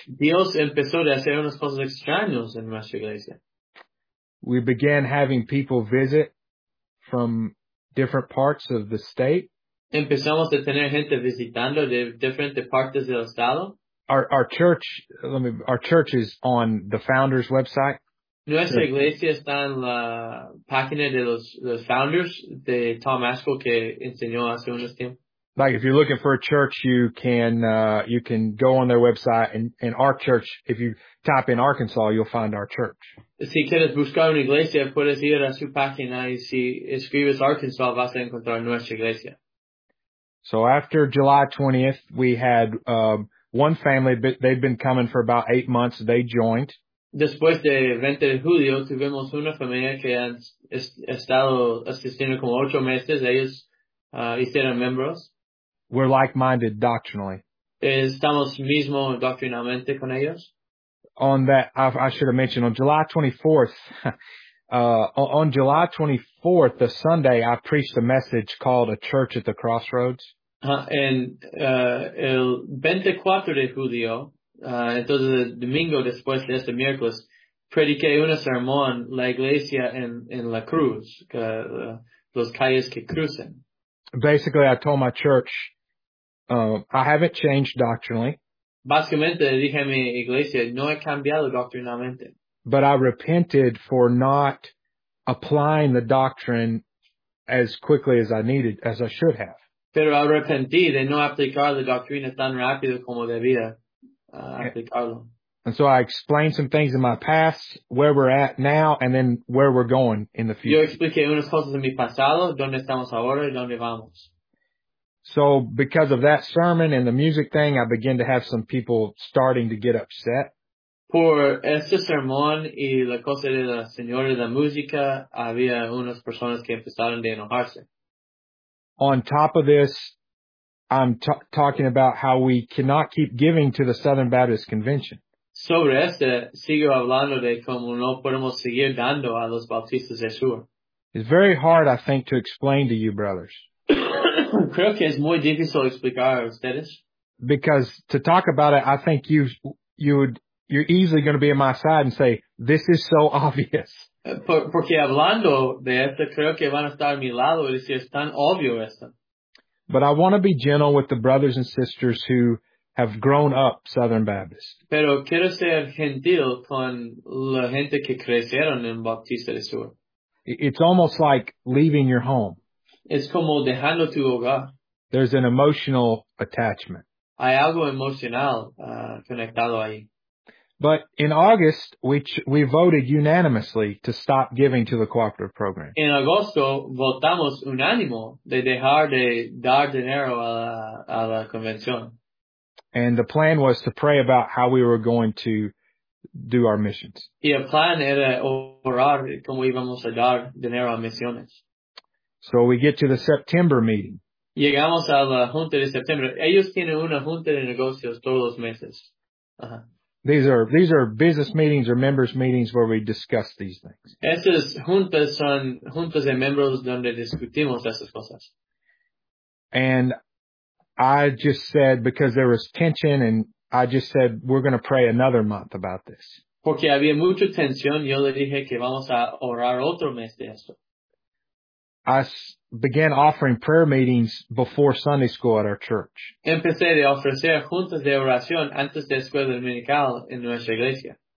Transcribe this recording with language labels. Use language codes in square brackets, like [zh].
[es] Dios empezó a hacer unas cosas extrañas en nuestra iglesia. [en] We began having people visit from different parts of the state. [es] Empezamos a tener gente visitando de diferentes partes del estado. [en] Our church is on the founders' website. [es] Nuestra iglesia está en la página de los founders de Tom Askell que enseñó hace unos tiempos. [en] Like if you're looking for a church, you can go on their website and our church. If you type in Arkansas, you'll find our church. [es] Si quieres buscar una iglesia, puedes ir a su página y si escribes Arkansas, vas a encontrar nuestra iglesia. [en] So after July 20th, we had one family. They'd been coming for about 8 months. They joined. [es] Después de 20 de julio, tuvimos una familia que han estado asistiendo como 8 meses. Ellos hicieron miembros. [en] We're like-minded doctrinally. [es] Estamos mismo doctrinalmente con ellos. [en] On that, I should have mentioned, on July 24th, on July 24th, the Sunday, I preached a message called A Church at the Crossroads. [es] El 24 de julio, entonces el domingo después de este miércoles, prediqué una sermón, la iglesia en la cruz, los calles que crucen. [en] Basically, I told my church, I haven't changed doctrinally. [es] Básicamente, dije a mi iglesia, no he cambiado doctrinalmente. [en] but I repented for not applying the doctrine as quickly as I needed, as I should have. [es] Pero arrepentí de no aplicar la doctrina tan rápido como debía aplicarlo. [en] And so I explained some things in my past, where we're at now, and then where we're going in the future. [es] Yo expliqué unas cosas de mi pasado, dónde estamos ahora y dónde vamos. [en] So because of that sermon and the music thing, I began to have some people starting to get upset. [es] Por ese sermón y la cosa de la señora de la música, había unas personas que empezaron de enojarse. [en] On top of this, I'm talking about how we cannot keep giving to the Southern Baptist Convention. [es] Sobre este, sigo hablando de cómo no podemos seguir dando a los bautistas del sur. [en] It's very hard, I think, to explain to you, brothers. [es] Creo que es muy difícil explicar a ustedes. [en] Because to talk about it, I think you're easily going to be on my side and say, this is so obvious. [es] Porque hablando de esto, creo que van a estar a mi lado y decir, es tan obvio esto. [en] But I want to be gentle with the brothers and sisters who have grown up Southern Baptist. [es] Pero quiero ser gentil con la gente que crecieron en Bautista del Sur. [en] It's almost like leaving your home. [es] Es como dejando tu hogar. [en] There's an emotional attachment. [es] Hay algo emocional conectado ahí. [en] But in August, we voted unanimously to stop giving to the cooperative program. [es] En agosto, votamos unánimo de dejar de dar dinero a la convención. [en] And the plan was to pray about how we were going to do our missions. [es] Y el plan era orar cómo íbamos a dar dinero a misiones. [en] So we get to the September meeting. [es] Llegamos a la junta de septiembre. Ellos tienen una junta de negocios todos los meses. [en] These are business meetings or members meetings where we discuss these things. [es] Esas juntas son juntas de miembros donde discutimos esas cosas. [en] And I just said, because there was tension, and I just said, we're going to pray another month about this. [es] Porque había mucha tensión, yo le dije que vamos a orar otro mes de esto. [en] I began offering prayer meetings before Sunday school at our church. [es] Empecé de ofrecer juntas de oración antes de escuela dominical en nuestra iglesia.